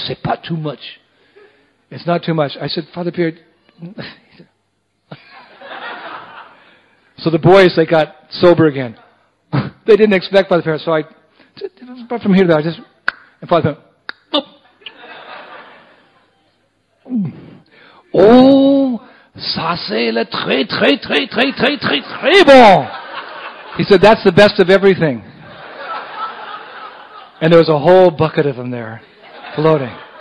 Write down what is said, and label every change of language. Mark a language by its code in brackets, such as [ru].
[fr] C'est pas [en] too much. It's not too much. I said, Father Pierre... So the boys, they got sober again. They didn't expect Father Pierre. So I, but from here to there, I just, and Father Pierre, oh. [fr] Oh, ça c'est le très, très, très, très, très, très, très bon. [en] He said, that's the best of everything. And there was a whole bucket of them there, floating.